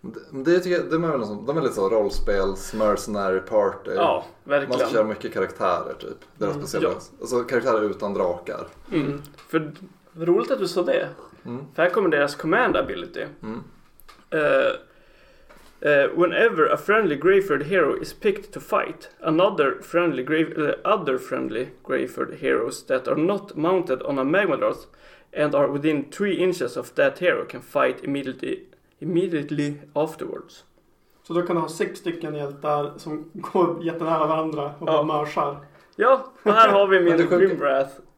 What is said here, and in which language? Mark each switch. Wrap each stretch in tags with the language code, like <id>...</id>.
<sv>Det är väl de är lite så rollspels,</sv> <en>mercenary party.</en> <sv>Ja, verkligen. Man kör mycket karaktärer typ. Det är speciellt. Ja. Alltså karaktärer utan drakar. Mm. För roligt att du sa det. Mm. För här kommer deras command ability. Mm.</sv> <en>Whenever a friendly Greyford hero is picked to fight, other friendly Greyford heroes that are not mounted on a Magmadroth and are within 3 inches of that hero can fight immediately afterwards.</en> <sv>Så då kan du ha 6 stycken hjältar som går jättenära varandra och bara mörsar. Ja, och här har vi min Grimwrath.</sv>